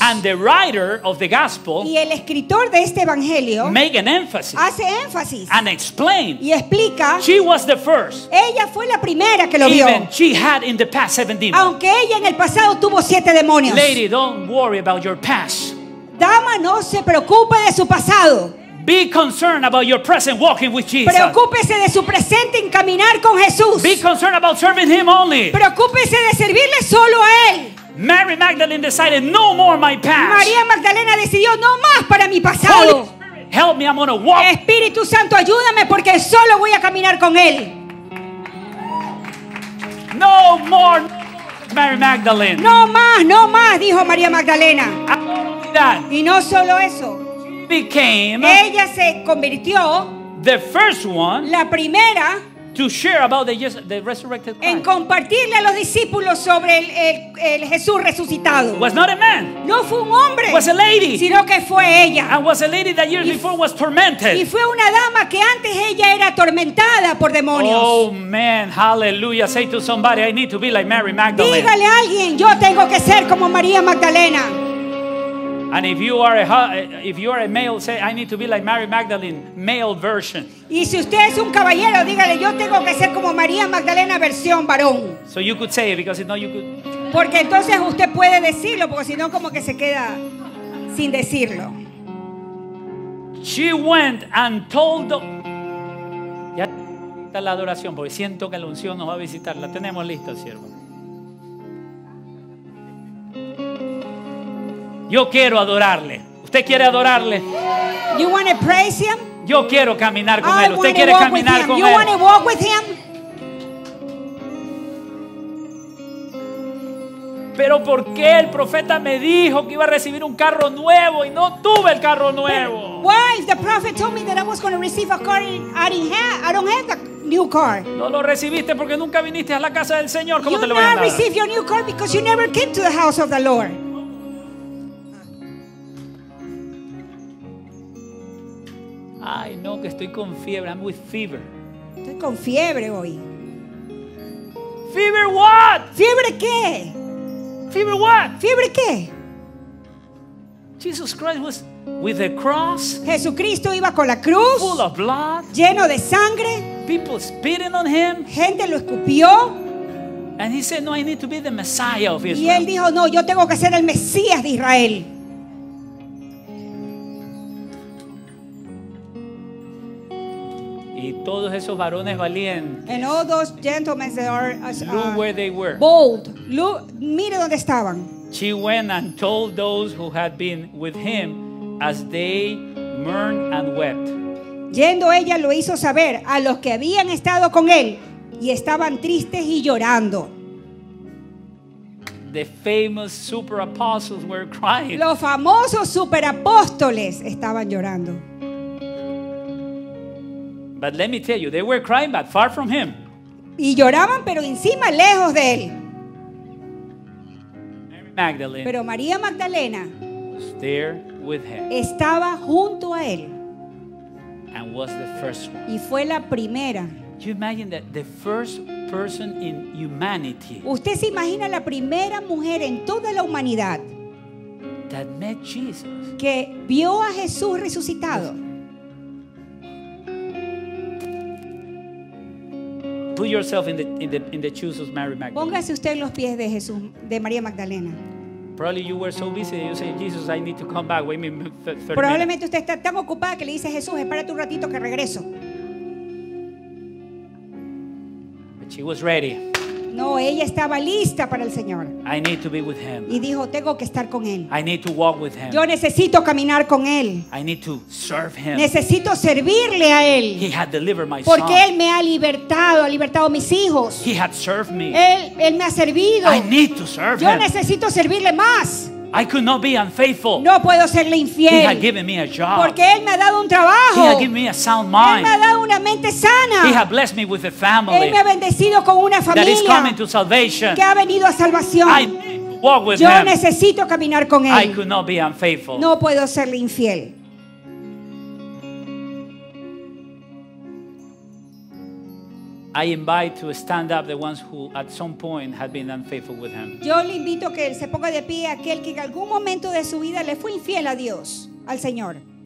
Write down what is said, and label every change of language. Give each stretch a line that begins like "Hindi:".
English: And the writer of the gospel,
Spanish: y el escritor de este evangelio,
English: make an emphasis,
Spanish: hace énfasis,
English: and explain,
Spanish: y explica,
English: she was the first,
Spanish: ella fue la primera que lo
English: even
Spanish: vio,
English: she had in the past seven demons.
Spanish: Aunque ella en el pasado tuvo siete demonios.
English: Lady, don't worry about your past.
Spanish: Dama, no se preocupe de su pasado.
English: Be concerned about your present walking with Jesus.
Spanish: Preocúpese de su presente en caminar con Jesús.
English: Be concerned about serving him only.
Spanish: Preocúpese de servirle solo a él.
English: Mary Magdalene decided no more my past.
Spanish: María Magdalena decidió no más para mi pasado.
English: Holy Spirit, help me, I'm gonna walk.
Spanish: Espíritu Santo, ayúdame porque solo voy a caminar con él.
English: No more, Mary Magdalene.
Spanish: No más, no más, dijo María Magdalena.
English: That.
Spanish: Y no solo eso.
English: Became,
Spanish: ella se convirtió,
English: the first one,
Spanish: la primera,
English: to share about the resurrected Christ,
Spanish: en compartirle a los discípulos sobre el Jesús resucitado.
English: Was not a man.
Spanish: No fue un hombre.
English: Was a lady.
Spanish: Sino que fue ella.
English: And was a lady that years before was tormented.
Spanish: Y fue una dama que antes ella era atormentada por demonios.
English: Oh man, hallelujah. Say to somebody, I need to be like Mary Magdalene.
Spanish: Dígale a alguien, yo tengo que ser como María Magdalena.
English: And if you are a male, say I need to be like Mary Magdalene, male version.
Spanish: Y si usted es un caballero, dígale yo tengo que ser como María Magdalena versión varón.
English: So you could say it, because if not you could.
Spanish: Porque entonces usted puede decirlo, porque si no como que se queda sin decirlo.
English: She went and told.
Spanish: Ya está la adoración, porque siento que la unción nos va a visitar. La tenemos lista, siervo. Yo quiero adorarle. ¿Usted quiere adorarle?
English: You want to praise him?
Spanish: Yo quiero caminar con él. ¿Usted quiere caminar con él?
English: You want to walk with him?
Spanish: Pero ¿por qué el profeta me dijo que iba a recibir un carro nuevo y no tuve el carro nuevo?
English: Why the prophet told me that I was going to receive a car and I don't have the new car.
Spanish: No lo recibiste porque nunca viniste a la casa del Señor. ¿Cómo
English: you
Spanish: te lo voy a dar?
English: You not receive your new car because you never came to the house of the Lord.
Spanish: Ay, no, que estoy con fiebre.
English: I'm with fever.
Spanish: Estoy con fiebre hoy.
English: Fever what?
Spanish: ¿Fiebre qué?
English: Fever what?
Spanish: ¿Fiebre qué?
English: Jesus Christ was with the cross.
Spanish: Jesucristo iba con la cruz.
English: Full of blood.
Spanish: Lleno de sangre.
English: People spitting on him.
Spanish: Gente lo escupió.
English: And he said, no, I need to be the Messiah of Israel.
Spanish: Y él dijo, no, yo tengo que ser el Mesías de Israel. Y todos esos varones valientes.
English: And all those gentlemen that are as, look where they were. Bold. Look,
Spanish: mire dónde estaban.
English: She went and told those who had been with him as they mourned and wept.
Spanish: Yendo ella lo hizo saber a los que habían estado con él y estaban tristes y llorando.
English: The famous super apostles were crying.
Spanish: Los famosos superapóstoles estaban llorando.
English: But let me tell you, they were crying, but far from him.
Spanish: Y lloraban, pero encima, lejos de él.
English: Magdalene.
Spanish: Pero María Magdalena.
English: Was there with him.
Spanish: Estaba junto a él.
English: And was the first one.
Spanish: Y fue la primera.
English: You imagine that the first person in humanity.
Spanish: Usted se imagina la primera mujer en toda la humanidad.
English: That met Jesus.
Spanish: Que vio a Jesús resucitado.
English: Put yourself in the shoes of Mary Magdalene.
Spanish: Póngase usted en los pies de Jesús, de María Magdalena.
English: Probably you were so busy that you say, Jesus, I need to come back. Wait a minute.
Spanish: Probablemente usted está tan ocupada que le dice Jesús, espérate un ratito que regreso.
English: But she was ready.
Spanish: No, ella estaba lista para el Señor.
English: I need to be with him.
Spanish: Y dijo, tengo que estar con él.
English: I need to walk with him.
Spanish: Yo necesito caminar con él.
English: I need to serve him.
Spanish: Necesito servirle a él.
English: He had delivered my son.
Spanish: Porque él me ha libertado a mis hijos.
English: He had served me.
Spanish: Él me ha servido.
English: I need to serve
Spanish: Yo
English: him.
Spanish: Necesito servirle más.
English: I could not be unfaithful.
Spanish: No puedo serle infiel.
English: He had given me a job.
Spanish: Porque él me ha dado un trabajo.
English: He had given me a sound mind.
Spanish: Él me ha dado una mente sana.
English: He had blessed me with a family.
Spanish: Él me ha bendecido con una familia.
English: That is coming to salvation.
Spanish: Que ha venido a salvación.
English: I walk with
Spanish: Yo
English: him.
Spanish: Necesito caminar con él.
English: I could not be unfaithful.
Spanish: No puedo serle infiel.
English: I invite to stand up the ones who at some point had been unfaithful with him.
Spanish: Yo le invito que él se ponga de pie aquel que en algún momento de su vida le fue infiel a Dios, al Señor.